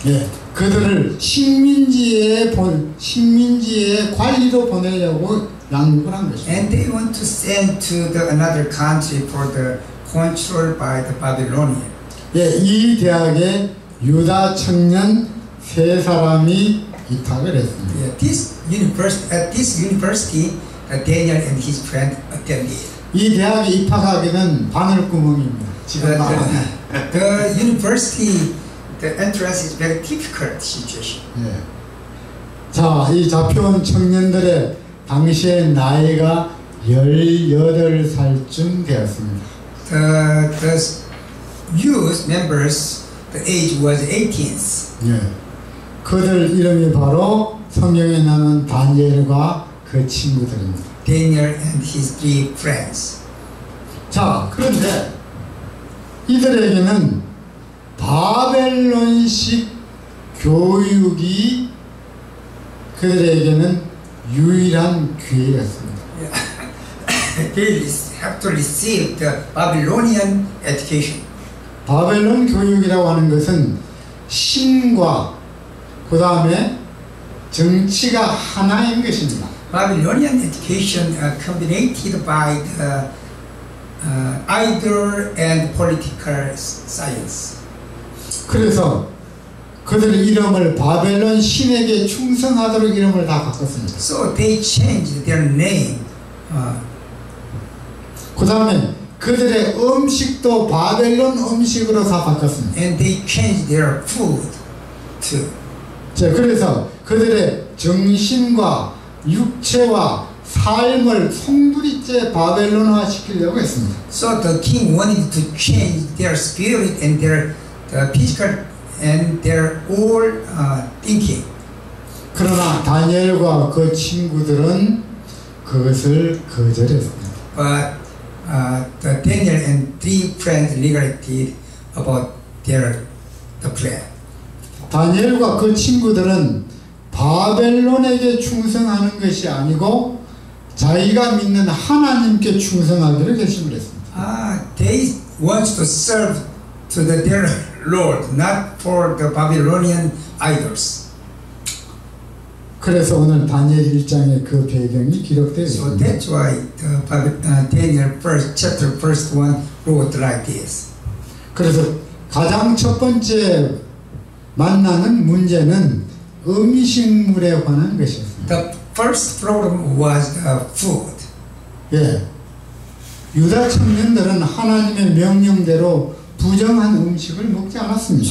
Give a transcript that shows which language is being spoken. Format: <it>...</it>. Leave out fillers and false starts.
<ko>예, 그들을 식민지의 관리로 보내려고 양육을 한 것입니다.</ko> <en>And they want to send to the another country for the control by the Babylonian.</en> <ko>예, 이 대학에 유다 청년 세 사람이 입학을 했습니다.</ko> <en>Yeah, at this university, Daniel and his friend attended.</en> <ko>이 대학에 입학하기는 바늘구멍입니다. 지금</ko> <en>the university, the entrance is very difficult situation.</en> <ko>예. 자, 이 잡혀온 청년들의 당시의 나이가 18살쯤 되었습니다.</ko> <en>The youth members, the age was 18.</en> <ko>예. 그들 이름이 바로 성경에 나오는 다니엘과 그 친구들입니다.</ko> <en>Daniel and his three friends.</en> <ko>자, 그런데 이들에게는 바벨론식 교육이 그들에게는 유일한 기회였습니다.</ko> <en>Yeah. They have to receive the Babylonian education.</en> <ko>바벨론 교육이라고 하는 것은 신과 그 다음에 정치가 하나인 것입니다.</ko> <en>Babylonian education combined by the idol and political science.</en> <ko>그래서 그들의 이름을 바벨론 신에게 충성하도록 이름을 다 바꿨습니다.</ko> <en>So they changed their name.</en> <ko>그 다음에 그들의 음식도 바벨론 음식으로 다 바꿨습니다.</ko> <en>And they changed their food too.</en> <ko>자, 그래서 그들의 정신과 육체와 삶을 송두리째 바벨론화 시키려고 했습니다.</ko> <en>So the king wanted to change their spirit and their physical and their all thinking.</en> <ko>그러나 다니엘과 그 친구들은 그것을 거절했습니다.</ko> <en>But Daniel and three friends regretted about their plan.</en> <ko>다니엘과 그 친구들은 바벨론에게 충성하는 것이 아니고 자기가 믿는 하나님께 충성하기를 결심을 했습니다.</ko> <en>They want to serve to their Lord, not for the Babylonian idols.</en> <ko>그래서 오늘 다니엘 1장에 그 배경이 기록되어 있습니다.</ko> <en>So that's why Daniel chapter 1 wrote like this.</en> <ko>그래서 가장 첫 번째 만나는 문제는 음식물에 관한 것이었습니다.</ko> <en>The first problem was the food.</en> <ko>예, 유다 청년들은 하나님의 명령대로 부정한 음식을 먹지 않았습니다.</ko>